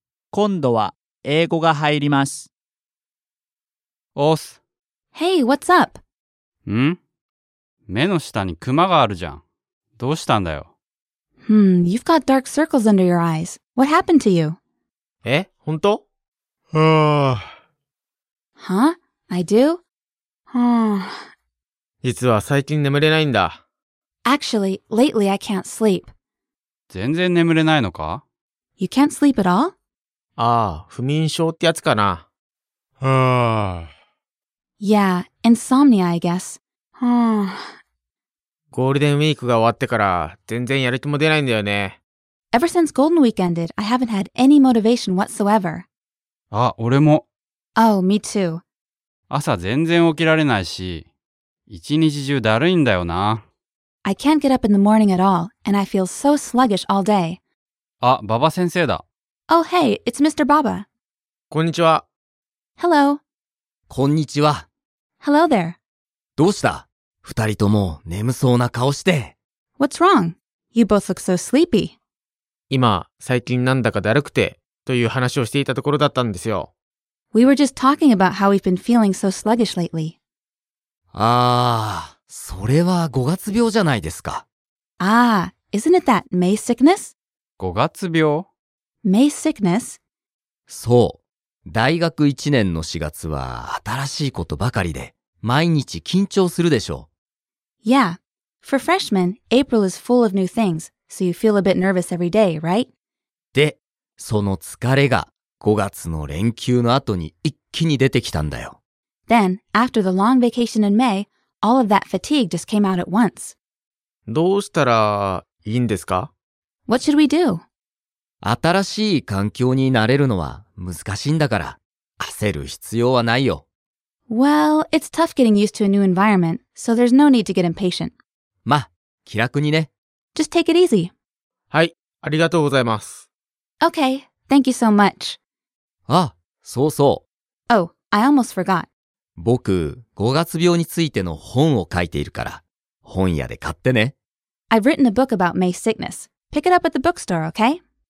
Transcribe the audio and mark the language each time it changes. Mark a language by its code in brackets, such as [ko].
[ja] 今度は英語が入ります。オース。 [en] Hey, what's up? [ja] ん？目の下にクマがあるじゃん。どうしたんだよ。 [en] You've got dark circles under your eyes. What happened to you? [ja] え、本当？はあ。 [en] Huh? I do? はあ。 [ja] 実は最近眠れないんだ。 [en] Actually, lately I can't sleep. [ja] 全然眠れないのか？ [en] You can't sleep at all? [ja] ああ、不眠症ってやつかな。はあ。 [en] Yeah, insomnia, I guess. [ja] ゴールデンウィークが終わってから全然やる気も出ないんだよね。 [en] Ever since Golden Week ended, I haven't had any motivation whatsoever. [ja] あ、俺も。 [en] Oh, me too. [ja] 朝全然起きられないし、一日中だるいんだよな。 [en] I can't get up in the morning at all, and I feel so sluggish all day. [ja] あ、ババ先生だ。 [en] Oh, hey, it's Mr. Baba. [ja] こんにちは。 [en] Hello. [ja] こんにちは。 [en] Hello there. [ja] どうした？二人とも眠そうな顔して。 [en] What's wrong? You both look so sleepy. [ja] 今、最近なんだかだるくて、という話をしていたところだったんですよ。 [en] We were just talking about how we've been feeling so sluggish lately. [ja] あー、それは五月病じゃないですか。 [en] あー、isn't it that May sickness? [ja] 五月病？ [en] May sickness? [ja] そう。大学一年の四月は新しいことばかりで、毎日緊張するでしょう。 [en] Yeah. For freshmen, April is full of new things, so you feel a bit nervous every day, right? [ja] で、その疲れが 5月の連休の後に一気に出てきたんだよ。 [en] Then, after the long vacation in May, all of that fatigue just came out at once. [ja] どうしたらいいんですか? [en] What should we do? [ja] 新しい環境に慣れるのは難しいんだから、焦る必要はないよ。 [en] Well, it's tough getting used to a new environment, so there's no need to get impatient. [ja] まあ、気楽にね。 [en] Just take it easy. [ja] はい、ありがとうございます。 [en] Okay, thank you so much. [ja] あ、そうそう。 [en] Oh, I almost forgot. [ja] 僕、5月病についての本を書いているから、本屋で買ってね。 [en] I've written a book about May sickness. Pick it up at the bookstore, okay?